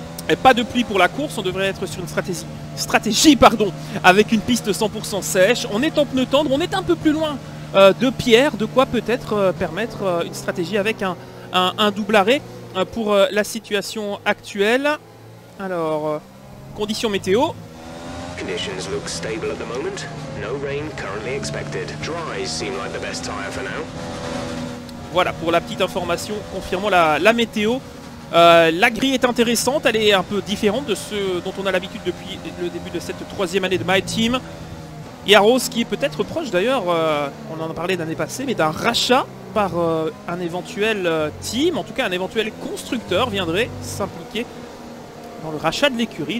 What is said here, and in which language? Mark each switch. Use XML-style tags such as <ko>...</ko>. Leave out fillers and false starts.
<fr>Et pas de pluie pour la course, on devrait être sur une stratégie, avec une piste 100% sèche. On est en pneu tendre, on est un peu plus loin de Pierre, de quoi peut-être permettre une stratégie avec un double arrêt pour la situation actuelle. Alors... conditions météo.</fr> <en>Conditions look stable at the moment. No rain currently expected. Dries seem like the best tire for now.</en> <fr>Voilà pour la petite information confirmant la météo. La grille est intéressante, elle est un peu différente de ce dont on a l'habitude depuis le début de cette troisième année de My Team. Yaros qui est peut-être proche d'ailleurs, on en a parlé l'année passée, mais d'un rachat par un éventuel team, en tout cas un éventuel constructeur viendrait s'impliquer dans le rachat de l'écurie.</fr>